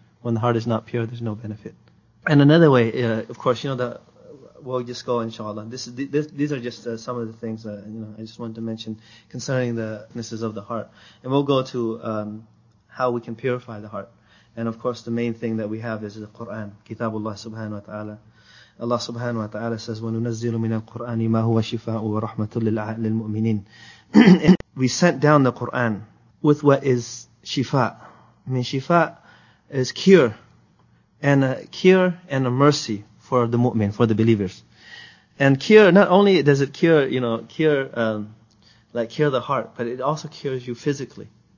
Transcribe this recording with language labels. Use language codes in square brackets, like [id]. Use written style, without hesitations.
[en] When the heart is not pure, there's no benefit. And another way, of course, you know, we'll just go, inshallah. These are just some of the things, you know, I just wanted to mention concerning the necessities of the heart. And we'll go to how we can purify the heart. And of course, the main thing that we have is the Quran, Kitabullah subhanahu wa ta'ala. Allah subhanahu wa ta'ala says, [ar] وَنُنَزِّلُ مِنَ الْقُرْآنِ مَا هُوَ شِفَاءُ وَرَحْمَةٌ لِلْمُؤْمِنِينَ. [en] We sent down the Quran with what is shifa. I mean, shifa is cure. And a cure and a mercy for the mu'min, for the believers. And cure, not only does it cure, you know, cure the heart, but it also cures you physically.